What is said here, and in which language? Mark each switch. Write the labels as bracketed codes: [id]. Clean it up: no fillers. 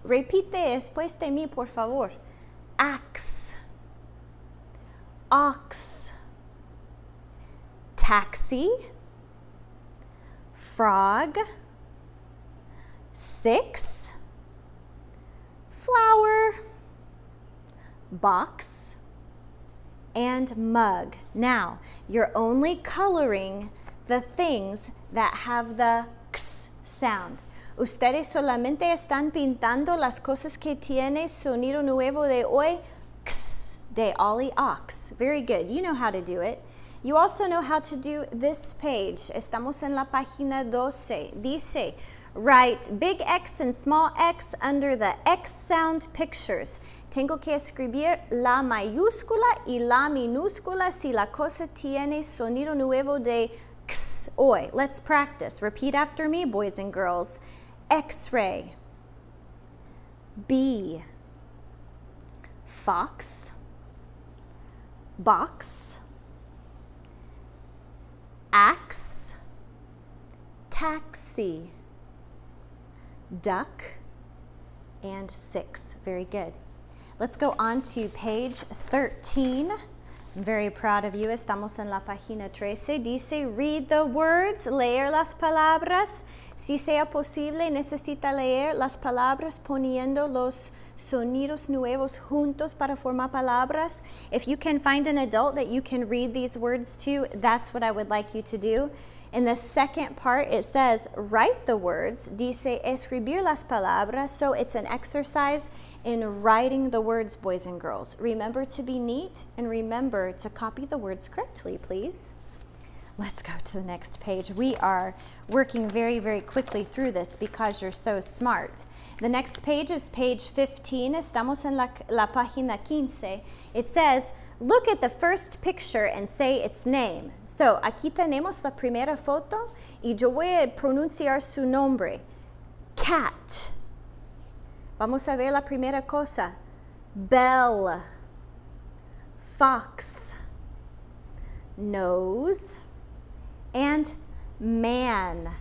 [es] Repite después de mí, por favor. [en] Axe, ox, taxi, frog, six, flower, box, and mug. Now, you're only coloring the things that have the x sound. [es] Ustedes solamente están pintando las cosas que tiene sonido nuevo de hoy, x, de Ollie Ox. [en] Very good, you know how to do it. You also know how to do this page. [es] Estamos en la página 12. Dice, [en] write big X and small X under the X sound pictures. [es] Tengo que escribir la mayúscula y la minúscula si la cosa tiene sonido nuevo de X hoy. [en] Let's practice. Repeat after me, boys and girls. X-ray. B. fox, box, axe, taxi, duck, and six. Very good. Let's go on to page 13. I'm very proud of you. [es] Estamos en la página 13. Dice, [en] read the words, [es] leer las palabras. Si sea posible, necesita leer las palabras poniendo los sonidos nuevos juntos para formar palabras. [en] If you can find an adult that you can read these words to, that's what I would like you to do. In the second part, it says, write the words. [es] Dice, escribir las palabras. [en] So it's an exercise in writing the words, boys and girls. Remember to be neat and remember to copy the words correctly, please. Let's go to the next page. We are working very, very quickly through this because you're so smart. The next page is page 15. [es] Estamos en la página 15. [en] It says, look at the first picture and say its name. [es] So, aquí tenemos la primera foto y yo voy a pronunciar su nombre. Cat. Vamos a ver la primera cosa. Bell. Fox. [en] Nose. And man.